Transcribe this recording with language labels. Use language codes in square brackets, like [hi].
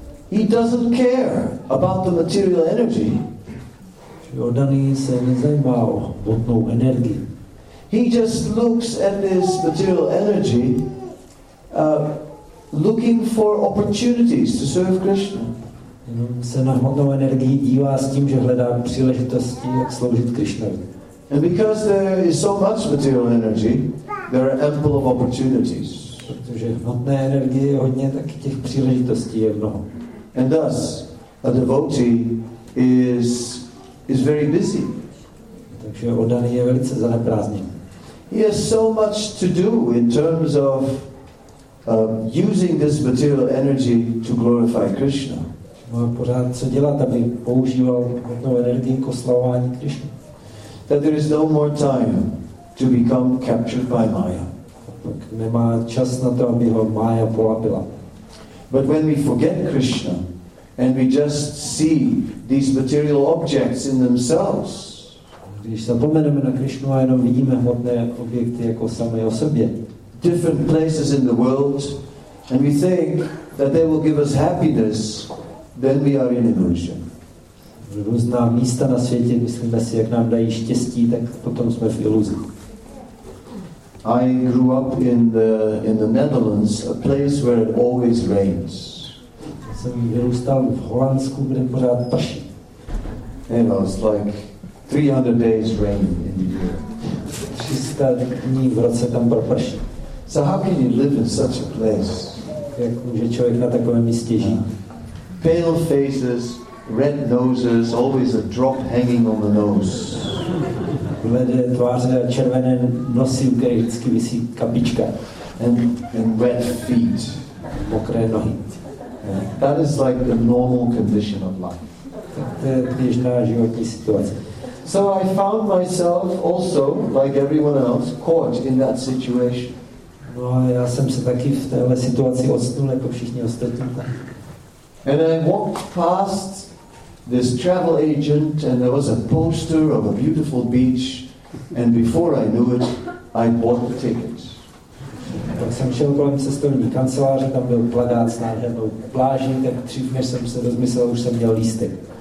[en] He doesn't care about the material energy. [cs] Jordaný se nezajímá o hmotnou energii. [en] He just looks at this material energy, looking for opportunities to serve Krishna. [cs] Jenom se na hmotnou energii dívá s tím, že hledá příležitosti, jak sloužit Krishnovi. [en] And because there is so much material energy, there are ample of opportunities. [cs] Protože hmotné energie je hodně, tak těch příležitostí je mnoho. [en] And thus, a devotee is very busy. [cs] Takže oddaný je velice zaneprázdněný. [en] He has so much to do in terms of using this material energy to glorify Krishna. [cs] Má pořád co dělat, aby používal hmotnou energii k oslavování Krishna. [en] That there is no more time to become captured by Maya. [cs] Tak nemá čas na to, aby ho Maya polapila. [en] But when we forget Krishna and we just see these material objects in themselves, [cs] když zapomeneme na Krishnu a jenom vidíme hmotné objekty jako samé o sobě, [en] different places in the world, and we think that they will give us happiness, then we are in illusion. [cs] Různá místa na světě, myslíme si, jak nám dají štěstí, tak potom jsme v iluzi. [en] I grew up in the Netherlands, a place where it always rains. [cs] Jsem vyrůstal v Holandsku, kde pořád prší. [en] And it was like 300 days rain in the year. [cs] 300 dní v roce tam prší. [en] So how can you live in such a place? [cs] Jak může člověk na takovém místě žít? [en] Pale faces, red noses, always a drop hanging on the nose. [cs] Bledé tváře a červené nosy, u kterých vždycky visí kapička. [en] And wet feet. [cs] Mokré nohy. Yeah. [en] That is like the normal condition of life. [cs] To je běžná životní situace. [en] So I found myself also, like everyone else, caught in that situation. [cs] No a já jsem se taky v téhle situaci ocitl, jako všichni ostatní. [en] And I walked past this travel agent, and there was a poster of a beautiful beach, and before I knew it, I bought the ticket. [cs] Tak jsem šel kolem cestovní kanceláře, tam byl plakát s nádhernou pláží, tak dřív, než jsem se rozmyslel, už jsem měl lístek.